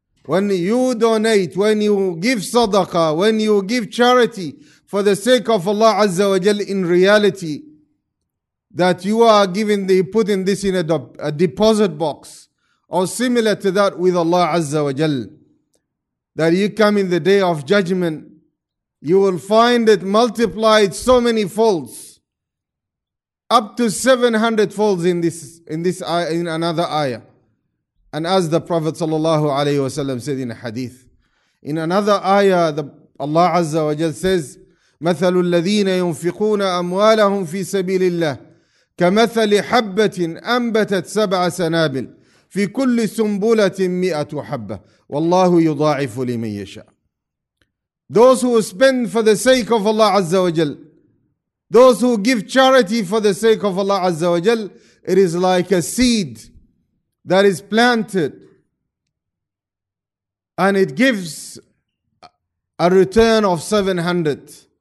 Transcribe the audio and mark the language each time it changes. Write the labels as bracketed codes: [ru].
[en] When you donate, when you give sadaqah, when you give charity for the sake of Allah Azza wa Jal, in reality, that you are giving the, putting this in a deposit box or similar to that with Allah Azza wa Jal, that you come in the day of judgment, you will find it multiplied so many folds, up to 700 folds in another ayah. And as the Prophet sallallahu alayhi wasallam said in a hadith, in another ayah, Allah Azza wa Jal says, [ar] مثل الذين ينفقون أموالهم في سبيل الله كمثل حبة أنبتت سبع سنابل في كل سنبلة مئة حبة والله يضاعف لمن يشاء. [en] Those who spend for the sake of Allah Azza wa Jal, those who give charity for the sake of Allah Azza wa Jal, it is like a seed that is planted and it gives a return of 700.